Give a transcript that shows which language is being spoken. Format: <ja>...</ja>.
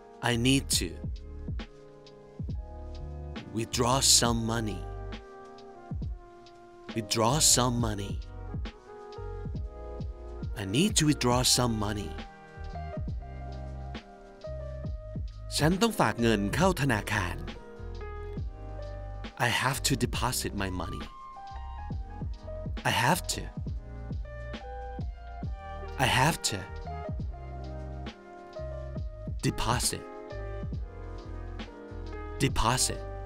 <en>I need to. Withdraw some money. Withdraw some money. I need to withdraw some money.</en> <th>ฉันต้องฝากเงินเข้าธนาคาร</th> <en>I have to deposit my money. I have to. I have to. Deposit. Deposit.</en>